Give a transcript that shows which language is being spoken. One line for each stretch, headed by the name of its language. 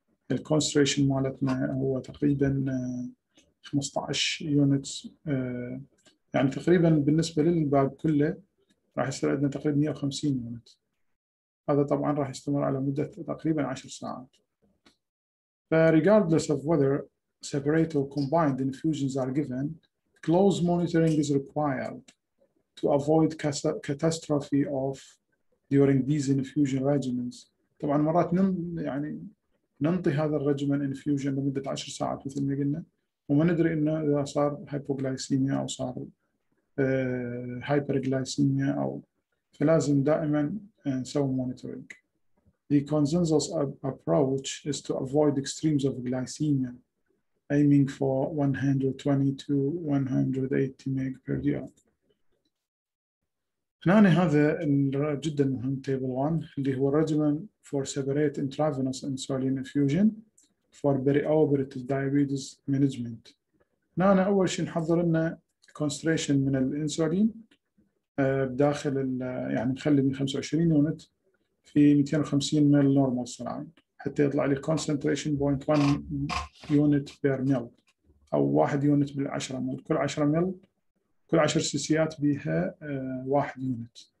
Arabic: الكونستريشن مالتنا هو تقريبا 15 يونتس، يعني تقريبا بالنسبة للباب كله راح يصير عندنا تقريبا 150 يونت. هذا طبعا راح يستمر على مدة تقريبا 10 ساعات.
English: Regardless of whether separate or combined infusions are given, close monitoring is required to avoid catastrophe of during these infusion regimens.
Arabic: طبعا مرات يعني ننطي هذا الرجمن infusion لمدة 10 ساعات مثل ما قلنا وما ندري انه اذا صار هايبوغلايسيميا او صار هايبرغلايسيميا او، فلازم دائما نسوي مونيتورينج.
English: The consensus approach is to avoid extremes of glycemia aiming for 120 to 180 mg per year.
Arabic: هنا هذا جدا مهم تيبل 1 اللي هو
English: regimen for separate intravenous insulin infusion for perioperative diabetes management.
Arabic: هنا اول شيء نحضر لنا concentration من الانسولين بداخل يعني نخلي من 25 يونت في 250 مل نورمال سلاين حتى يطلع لي concentration 0.1 يونت بير مل او 1 يونت بالعشرة مل، كل 10 مل كل 10 سيسيات بها 1 يونت.